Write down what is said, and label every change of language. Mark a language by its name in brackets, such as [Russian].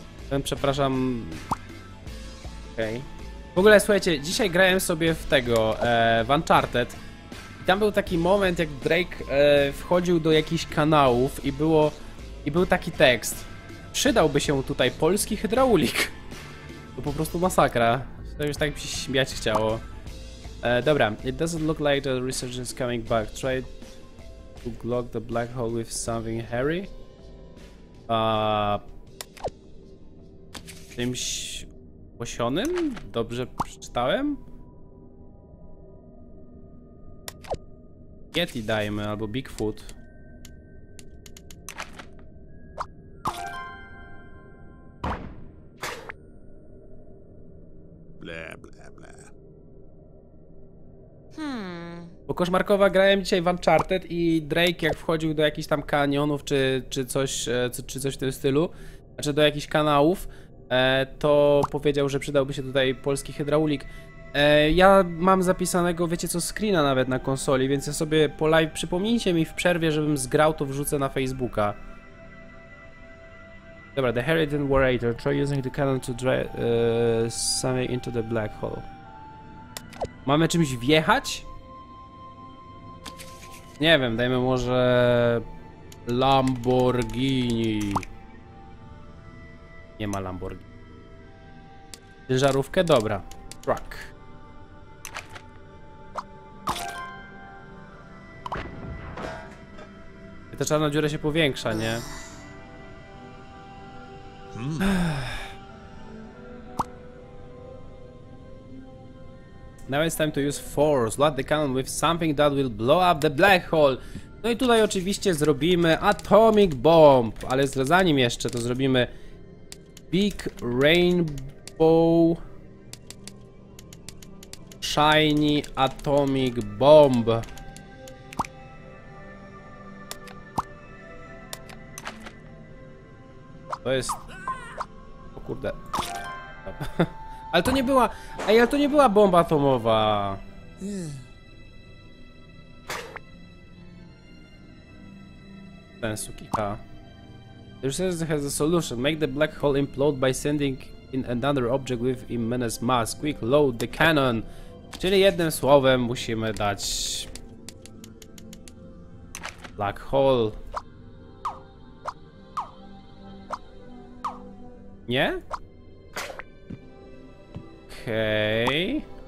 [Polish] Ten przepraszam... Okej. W ogóle, słuchajcie, dzisiaj grałem sobie w tego, w Uncharted. I tam był taki moment, jak Drake wchodził do jakichś kanałów i było... I był taki tekst. Przydałby się tutaj polski hydraulik. To po prostu masakra. To już tak się śmiać chciało. Dobra. [English] It doesn't look like the research is coming back. Try to block the black hole with something hairy. [Polish] Czymś osionym? Dobrze przeczytałem? Yeti dajmy, albo Bigfoot. Bo koszmarkowa, grałem dzisiaj w Uncharted i Drake jak wchodził do jakichś tam kanionów czy coś w tym stylu, znaczy do jakichś kanałów, to powiedział, że przydałby się tutaj polski hydraulik. Ja mam zapisanego, wiecie co, screena nawet na konsoli, więc ja sobie po live, przypomnijcie mi w przerwie, żebym zgrał, to wrzucę na Facebooka. [English] Dobra, the Harrington Warator, try using the cannon to drive something into the black hole. [Polish] Mamy czymś wjechać? Nie wiem, dajmy może... Lamborghini. Nie ma Lamborghini. Ciężarówkę? Dobra. Truck. Ta czarna dziura się powiększa, nie? [English] Now it's time to use force. Load the cannon with something that will blow up the black hole. [Polish] No i tutaj oczywiście zrobimy atomic bomb. Ale zanim jeszcze to zrobimy [English] big rainbow shiny atomic bomb. [Polish] To jest... O kurde. Ale to nie była... Ej, ale to nie była bomba atomowa. Ten suki, ha. [English] The researchers has a solution. Make the black hole implode by sending in another object with immense mass. Quick, load the cannon. [Polish] Czyli jednym słowem musimy dać... [English] Black hole. [Polish] Nie? Okej.